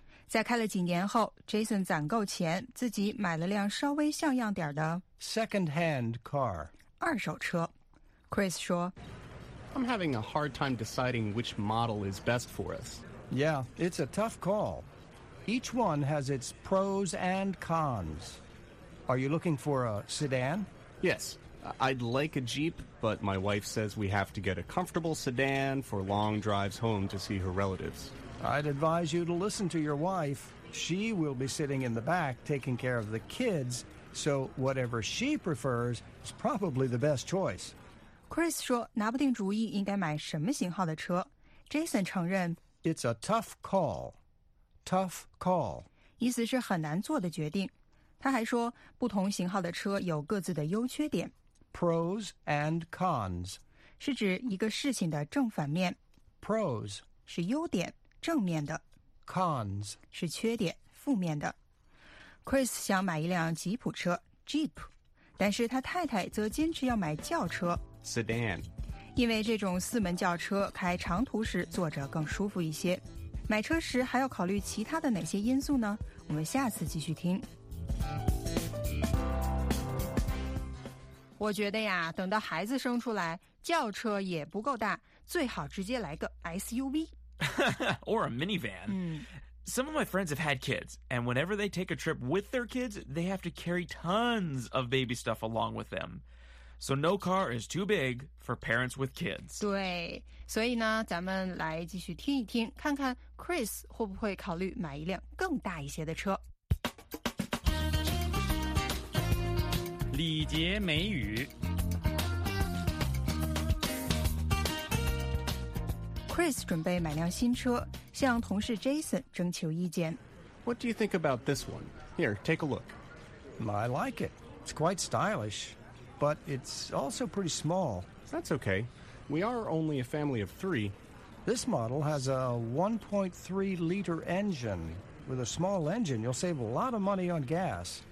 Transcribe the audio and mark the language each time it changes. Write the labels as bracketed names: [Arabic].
[Chinese] 在开了几年后 ,Jason 攒够钱自己买了辆稍微像样点的 [English] Second-hand car. [Chinese] 二手车。Chris 说 [English] I'm having a hard time deciding which model is best for us. Yeah, it's a tough call. Each one has its pros and cons. Are you looking for a sedan? Yes, I'd like a Jeep, but my wife says we have to get a comfortable sedan for long drives home to see her relatives. I'd advise you to listen to your wife. She will be sitting in the back taking care of the kids, so whatever she prefers is probably the best choice. [Chinese] Chris 说拿不定主意应该买什么型号的车。 Jason 承认 [English] It's a tough call. Tough call. [Chinese] 意思是很难做的决定。他还说不同型号的车有各自的优缺点。 [English] Pros and cons. [Chinese] 是指一个事情的正反面。 [English] Pros [Chinese] 是优点。正面的 [English] cons [Chinese] 是缺点负面的 Chris 想买一辆吉普车 Jeep 但是他太太则坚持要买轿车 [English] Sedan [Chinese] 因为这种四门轿车开长途时坐着更舒服一些买车时还要考虑其他的哪些因素呢我们下次继续听我觉得呀等到孩子生出来轿车也不够大最好直接来个 SUV [English] Or a minivan. Some of my friends have had kids, and whenever they take a trip with their kids, they have to carry tons of baby stuff along with them. So no car is too big for parents with kids. [Chinese] 对，所以呢，咱们来继续听一听，看看 Chris 会不会考虑买一辆更大一些的车。礼节美语 Chris 准备买辆新车，向同事 Jason 征求意见。 [English] What do you think about this one? Here, take a look. I like it. It's quite stylish, but it's also pretty small. That's okay. We are only a family of three. This model has a 1.3-liter engine. With a small engine, you'll save a lot of money on gas.